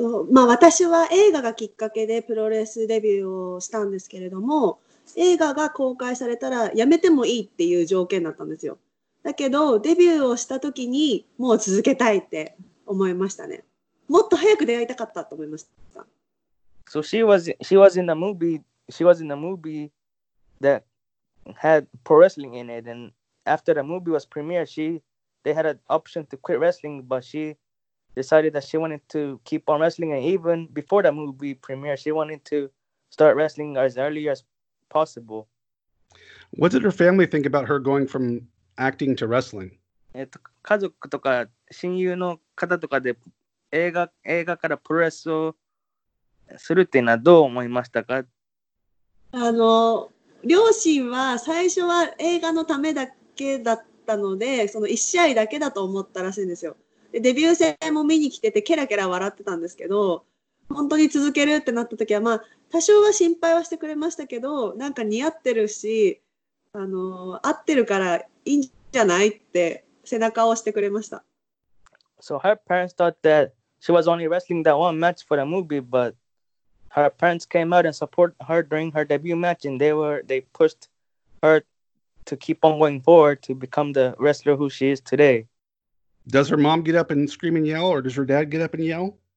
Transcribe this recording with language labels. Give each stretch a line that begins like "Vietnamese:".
Japanese: まあ、私は映画がきっかけでプロレスデビューをしたんですけれども、映画が公開されたらやめてもいいっていう条件だったんですよ。だけどデビューをした時にもう続けたいって思いましたね。もっと早く出会いたかったと思いました。
English: So she was in the movie thatHad pro wrestling in it, and after the movie was premiered, they had an option to quit wrestling, but she decided that she wanted to keep on wrestling. And even before the movie premiered, she wanted to start wrestling as early as possible. What did her family think about her going from acting to wrestling?
Japanese: 家族とか親友の方とかで映画からプロレスをするっていうのはどう思いましたか？両親は最初は映画のためだけだったので、その1試合だけだと思ったらしいんですよ。でデビュー戦も見に来ててケラケラ笑ってたんですけど、本当に続けるってなった時はまあ多少は心配はしてくれましたけど、なんか似合ってるし、合ってるからいいんじゃないって背中を押してくれました。
English: So her parents thought that she was only wrestling that one match for the movie, butHer parents came out and supported her during her debut match, and they pushed her to keep on going forward to become the wrestler who she is today. Does her mom get up and scream and yell, or does her dad get up and yell?